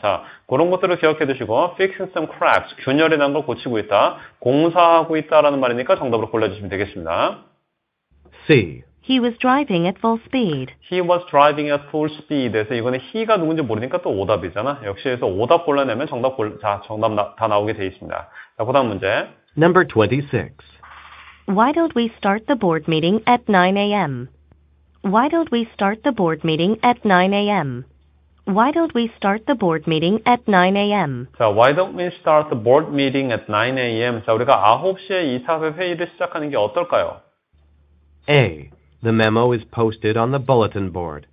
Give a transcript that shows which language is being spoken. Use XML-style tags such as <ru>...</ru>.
<ko>자, 그런 것들을 기억해 두시고</ko> <en>fixing some cracks</en> <ko>균열이 난 걸 고치고 있다, 공사하고 있다라는 말이니까 정답으로 골라주시면 되겠습니다.</ko> <en>C. He was driving at full speed. He was driving at full speed.</en> <ko>그래서 이거는 he가 누군지 모르니까 또 오답이잖아. 역시 해서 오답 골라내면 정답 다 나오게 돼 있습니다. 자, 그다음 문제.</ko> <en>Number 26. Why don't we start the board meeting at 9 a.m.? Why don't we start the board meeting at 9 a.m.? Why don't we start the board meeting at 9 a.m.? 자, why don't we start the board meeting at 9 a.m.?</en> <ko>자, 우리가 9시에 이사회 회의를 시작하는 게 어떨까요?</ko> <en>A. The memo is posted on the bulletin board.</en>